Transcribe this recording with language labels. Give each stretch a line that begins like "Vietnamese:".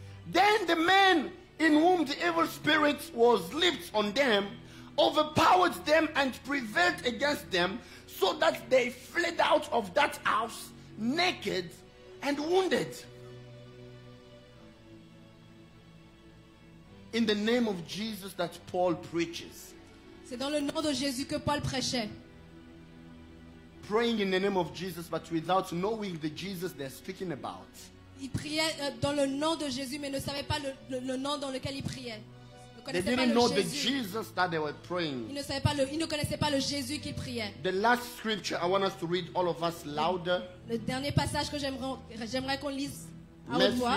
English: Then the man in whom the evil spirit was leaped on them, overpowered them and prevailed against them, so that they fled out of that house naked and wounded. In the name of Jesus that Paul preaches.
French: C'est dans le nom de Jésus que Paul prêchait.
English: Praying in the name of Jesus, but without knowing the Jesus they're speaking about.
French: Il priait dans le nom de Jésus, mais ne savait pas le nom dans lequel il priait.
English: They didn't know the Jesus that they were praying.
French: Ils ne connaissaient pas le Jésus qu'ils priaient.
English: The last scripture I want us to read all of us louder.
French: Le dernier passage que j'aimerais qu'on lise à haute voix.